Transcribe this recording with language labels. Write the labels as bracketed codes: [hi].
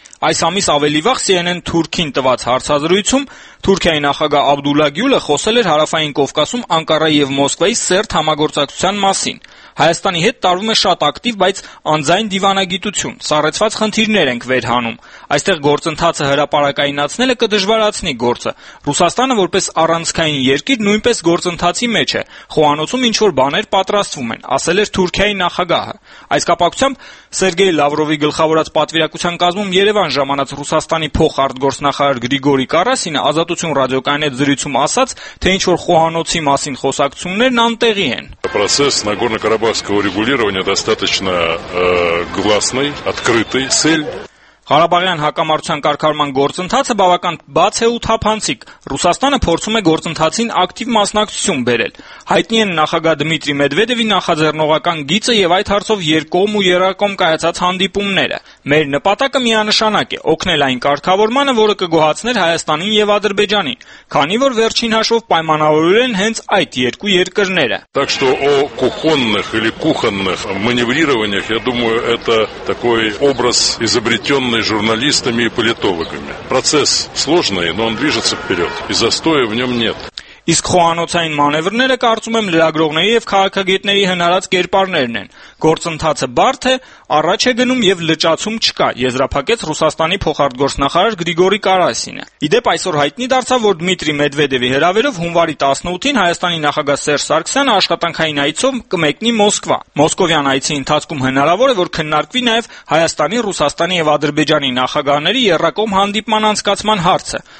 [hy] Այս ամիս ավելի վաղ CNN Թուրքին տված հարցազրույցում Թուրքիայի նախագահ Աբդուլլա Գյուլը խոսել էր Հարավային Կովկասում Անկարայի և Մոսկվայի սերտ համագործակցության մասին։ Հայաստանի հետ տարվում է շատ ակտիվ, բայց անձայն դիվանագիտություն, սառեցված խնդիրներ ենք վերհանում։ Այստեղ գործընթացը հրապարակայնացնելը կդժվարացնի գործը։ Ռուսաստանը որպես առանցքային երկիր նույնպես գործընթացի մեջ է։ Խոհանոցում ինչ-որ բաներ պատրաստվում են, ասել էր Թուրքիայի նախագահը։ Այս կապակցությամբ Սերգեյ Լավրովի գլխավորած պատվիրակության կազմում Երևան ժամանած Ռուսաստանի փոխարտգործնախարար Գրիգորի Կարասինը Ազատություն ռադիոկայանի զրույցում ասաց, թե ինչ-որ խոհանոցի մասին խոսակցություններն անտեղի են։ [ru] Процесс Нагорно-Карабахского регулирования достаточно гласный, открытый, цель. [hy] Ղարաբաղյան հակամարտության կարգավորման գործընթացը բավական բաց է ու թափանցիկ։ Ռուսաստանը փորձում է գործընթացին ակտիվ մասնակցություն բերել։ Հայտնի են նախագահ Դմիտրի Մեդվեդևի նախաձեռնողական գիծը եւ այդ հարցով երկկողմ ու երկկողմ կայացած հանդիպումները։ Մեր նպատակը միանշանակ է՝ օգնել այն կարգավորմանը, որը կգոհացներ Հայաստանին եւ Ադրբեջանի, քանի որ վերջին հաշվով պայմանավորվել են հենց այդ երկու երկրները։ [ru] Так что о кухонных или кухонных маневрированиях, я думаю, это такой образ изобретён журналистами и политологами. Процесс сложный, но он движется вперед, и застоя в нем нет. [hy] Իսկ խոհանոցային մանևրները, կարծում եմ, լրագրողների և քաղաքագետների հնարած կերպարներն են։ Գործընթացը բարդ է, առաջ է գնում և լճացում չկա, եզրափակեց Ռուսաստանի փոխարտգործնախարար Գրիգորի Կարասինը։ Իդեպ այսօր հայտնի դարձավ, որ Դմիտրի Մեդվեդևի հրավերով հունվարի 18-ին Հայաստանի նախագահ Սերժ Սարգսյանը աշխատանքային այցով կմեկնի Մոսկվա։ Մոսկովյան այցի ընթացքում հնարավոր է, որ քննարկվի նաև Հայաստանի, Ռուսաստանի և Ադրբեջանի նախագահների երկկողմ հանդիպման անցկացման հարցը։